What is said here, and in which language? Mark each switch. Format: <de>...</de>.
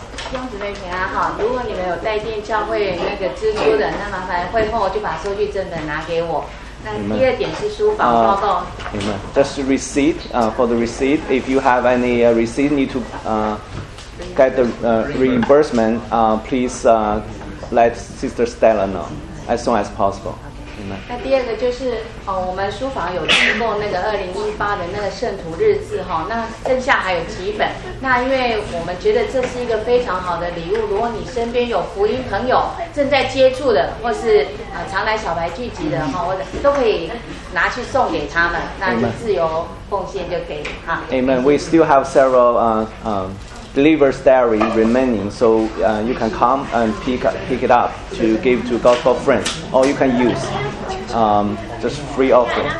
<zh>兄姊妹平安好，如果你们有在地教会那个支出的，那麻烦会后就把收据证本拿给我。那第二点是书房报告。</zh> <en>Amen. Just receipt, for the receipt, if you have any receipt, need to get the reimbursement, please let Sister Stella know as soon as possible. Amen.</en> <zh>那第二个就是我们书房有寄过那个2018的那个圣徒日志，那剩下还有几本，那因为我们觉得这是一个非常好的礼物，如果你身边有福音朋友正在接触的，或是常来小白聚集的，都可以拿去送给他们，那就自由奉献就可以。</zh> <en>Amen. We still have several Believer's diary remaining, so you can come and pick it up to give to gospel friends, or you can use just free offering.</en>